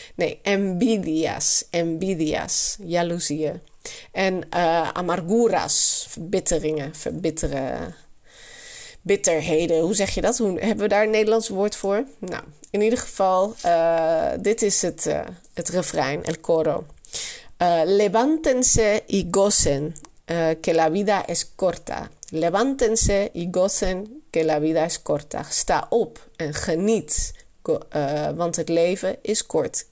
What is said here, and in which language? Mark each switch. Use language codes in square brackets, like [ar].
[nl] Nee, envidias, jaloezie. En amarguras, verbitteringen, verbitteren. Bitterheden, hoe zeg je dat? Hebben we daar een Nederlands woord voor? Nou, in ieder geval, dit is het refrein, el coro. [es] Levántense y gocen, que la vida es corta. Levántense y gocen, que la vida es corta. [nl] Sta op en geniet, want het leven is kort.